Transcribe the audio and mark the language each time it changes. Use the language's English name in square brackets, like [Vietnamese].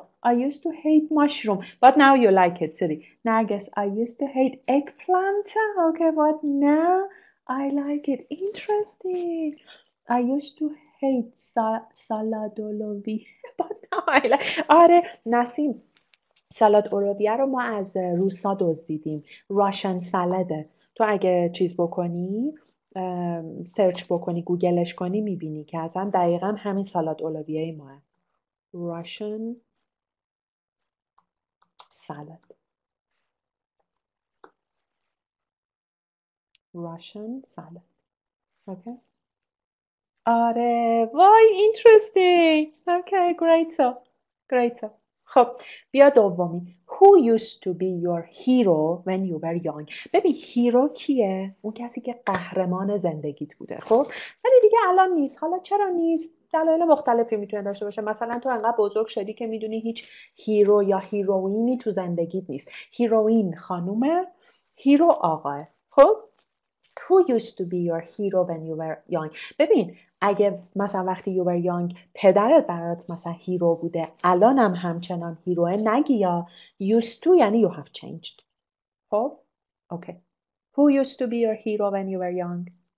[English] I used to hate mushroom, but now you like it. Sorry. Now I guess I used to hate eggplant. Okay, but now I like it. Interesting. I used to hate salad olovi, but now I like. [Persian] آره نسیم، سالاد اولویه رو ما از روسا دزدیدیم. راشن سالاده. تو اگه چیز بکنی، سرچ بکنی، گوگلش کنی، میبینی که از هم دقیقا همین سالاد اولویه ما هست. [English] Russian salad. Russian salad. Okay? [Persian] آره وای [English] Interesting. Okay great so great so. [Persian] خب بیا دومی. [English] Who used to be your hero when you were young. [Persian] ببین هیرو کیه؟ اون کسی که قهرمان زندگیت بوده، خب ولی دیگه الان نیست. حالا چرا نیست؟ دلایل مختلفی میتونه داشته باشه. مثلا تو انقدر بزرگ شدی که میدونی هیچ هیرو یا هیروینی تو زندگیت نیست. هیروین خانومه، هیرو آقاه. [English] خب Who used to be your hero when you were young. [Persian] ببین اگه مثلا وقتی [English] you were young [Persian] پدرت برات مثلا هیرو بوده، الان هم همچنان هیروه، نگی یا [English] used to [Persian] یعنی [English] you have changed. [Persian] خب اوکی. [English] Who used to be your hero when you were young.